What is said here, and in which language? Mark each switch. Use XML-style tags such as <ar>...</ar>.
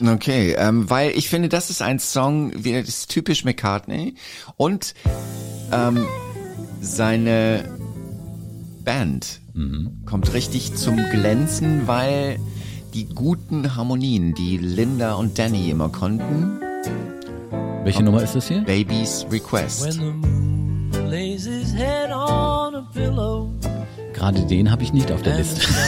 <de>Okay, weil ich finde, das ist ein Song, wie das ist typisch McCartney. Und seine Band kommt richtig zum Glänzen, weil die guten Harmonien, die Linda und Danny immer konnten. Welche Nummer ist das hier? Baby's Request.</de> <en>When the moon lays his head on a pillow.</en> <de>Gerade den habe ich nicht auf der Liste.</de>